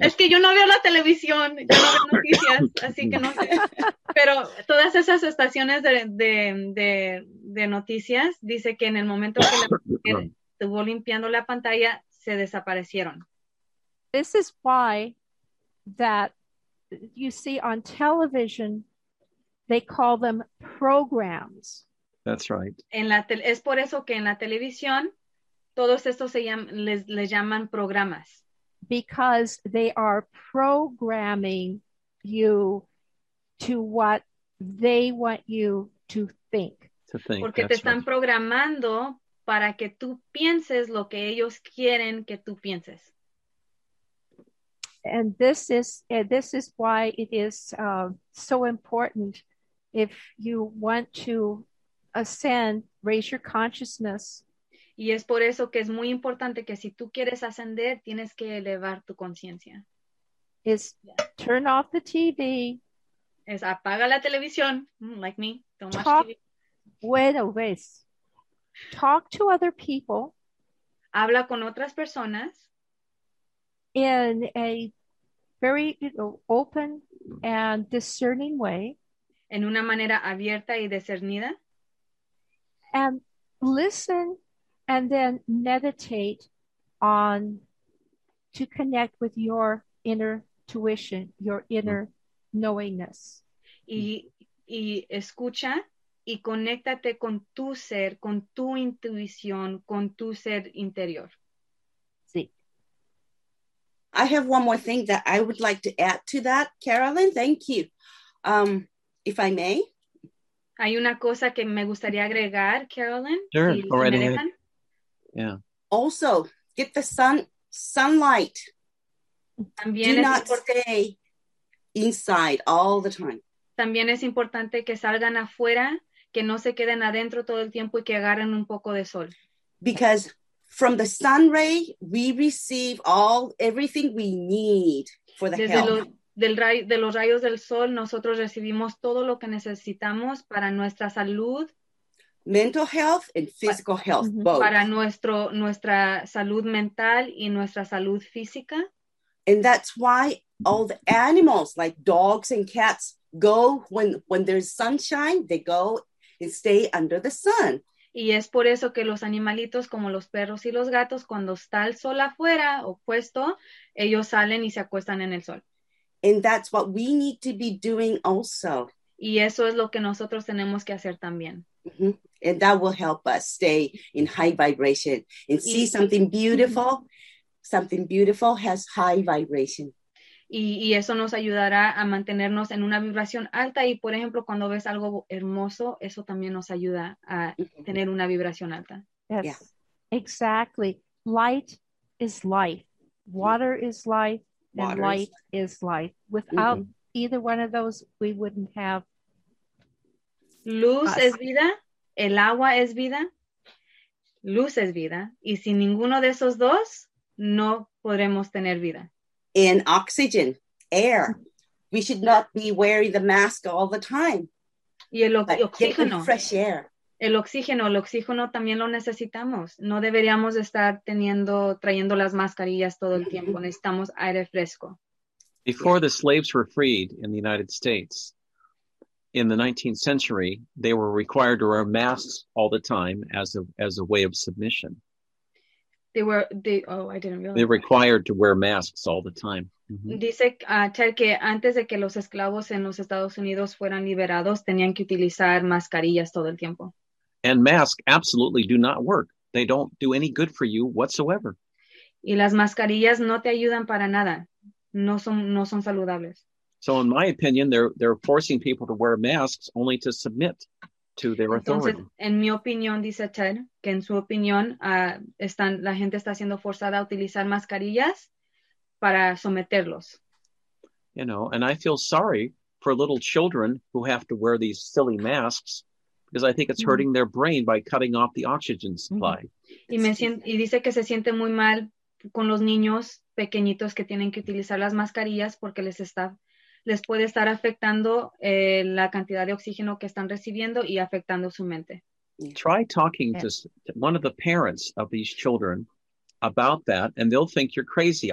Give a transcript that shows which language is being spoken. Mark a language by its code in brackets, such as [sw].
[es] Es que yo no veo la televisión, yo no veo noticias, así que no sé. Pero todas esas estaciones de noticias, dice que en el momento que la mujer estuvo limpiando la pantalla, se desaparecieron. [en] This is why that you see on television, they call them programs. That's right. [es] En la es por eso que en la televisión todos estos les llaman programas. [en] Because they are programming you to what they want you to think. To think. [es] Porque [en] that's [es] te están [en] right. [es] programando para que tú pienses lo que ellos quieren que tú pienses. [en] And this is why it is so important. If you want to ascend, raise your consciousness. [es] Y es por eso que es muy importante que si tú quieres ascender, tienes que elevar tu conciencia. [en] Is turn off the TV. [es] Es apaga la televisión, [en] like me. Don't watch talk, TV. [es] Bueno, ves. [en] Talk to other people. [es] Habla con otras personas. [en] In a very, you know, open and discerning way. [es] En una manera abierta y discernida. [en] And listen and then meditate on to connect with your inner tuition, your inner knowingness. [es] Y escucha y conéctate con tu ser, con tu intuición, con tu ser interior. [en] I have one more thing that I would like to add to that, Carolyn. Thank you. If I may. [es] Hay una cosa que me gustaría agregar, Carolyn. [en] Sure, go right ahead. Yeah. Also, get the sunlight. [es] También [en] do not stay inside all the time. [es] También es importante que salgan afuera, que no se queden adentro todo el tiempo y que agarren un poco de sol. [en] Because from the sun ray, we receive everything we need for the [es] desde [en] health. [es] De los rayos del sol, nosotros recibimos todo lo que necesitamos para nuestra salud. [en] Mental health and physical health, both. [es] Para nuestra salud mental y nuestra salud física. [en] And that's why all the animals, like dogs and cats, go when there's sunshine, they go and stay under the sun. [es] Y es por eso que los animalitos como los perros y los gatos, cuando está el sol afuera o puesto, ellos salen y se acuestan en el sol. [en] And that's what we need to be doing also. [es] Y eso es lo que nosotros tenemos que hacer también. Mm-hmm. [en] And that will help us stay in high vibration and see something beautiful. Something beautiful has high vibration. [es] Y eso nos ayudará a mantenernos en una vibración alta. Y por ejemplo, cuando ves algo hermoso, eso también nos ayuda a tener una vibración alta. [en] Yes, yeah. Exactly. Light is life. Water is life. And water light is life. Without either one of those, we wouldn't have. [es] Luz es vida. El agua es vida. Luz es vida. Y sin ninguno de esos dos, no podremos tener vida. [en] In oxygen, air. We should not be wearing the mask all the time. [es] Y el oxígeno. [en] Fresh air. [es] El oxígeno también lo necesitamos. No deberíamos estar trayendo las mascarillas todo el tiempo. Necesitamos aire fresco. [en] Before the slaves were freed in the United States, in the 19th century, they were required to wear masks all the time as a way of submission. They were required to wear masks all the time. Mm-hmm. [es] Dice Ter que antes de que los esclavos en los Estados Unidos fueran liberados, tenían que utilizar mascarillas todo el tiempo. [en] And masks absolutely do not work. They don't do any good for you whatsoever. [es] Y las mascarillas no te ayudan para nada. No son saludables. [en] So in my opinion, they're forcing people to wear masks only to submit to their authority. [es] Entonces, en mi opinión, dice Ted, que en su opinión, la gente está siendo forzada a utilizar mascarillas para someterlos. [en] You know, and I feel sorry for little children who have to wear these silly masks because I think it's hurting their brain by cutting off the oxygen supply. [es] Y dice que se siente muy mal con los niños pequeñitos que tienen que utilizar las mascarillas porque les puede estar afectando la cantidad de oxígeno que están recibiendo y afectando su mente. [en] Try talking to one of the parents of these children about that, and they'll think you're crazy.